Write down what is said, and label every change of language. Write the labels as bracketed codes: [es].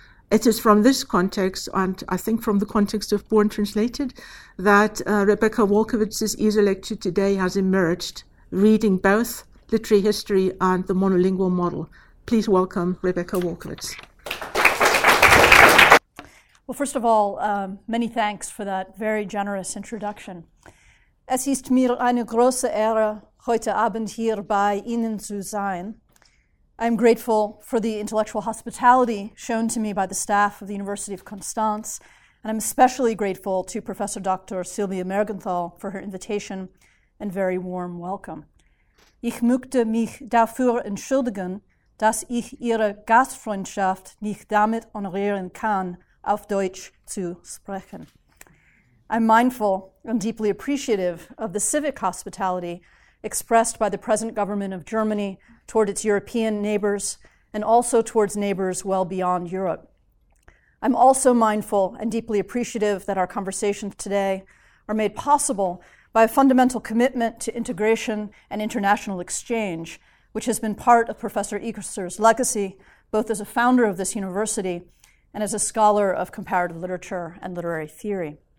[en] It is from this context, and I think from the context of Born Translated, that Rebecca Walkowitz's Easel Lecture Today has emerged, reading both literary history and the monolingual model. Please welcome Rebecca Walkowitz. Well, first of all, many thanks for that very generous introduction. [de] Es ist mir eine große Ehre, heute Abend hier bei Ihnen zu sein. [en] I'm grateful for the intellectual hospitality shown to me by the staff of the University of Konstanz, and I'm especially grateful to Professor Dr. Sylvia Mergenthal for her invitation and very warm welcome. [de] Ich möchte mich dafür entschuldigen, dass ich Ihre Gastfreundschaft nicht damit honorieren kann, auf Deutsch zu sprechen. [en] I'm mindful and deeply appreciative of the civic hospitality expressed by the present government of Germany toward its European neighbors and also towards neighbors well beyond Europe. I'm also mindful and deeply appreciative that our conversations today are made possible by a fundamental commitment to integration and international exchange, which has been part of Professor Eichester's legacy, both as a founder of this university and as a scholar of comparative literature and literary theory.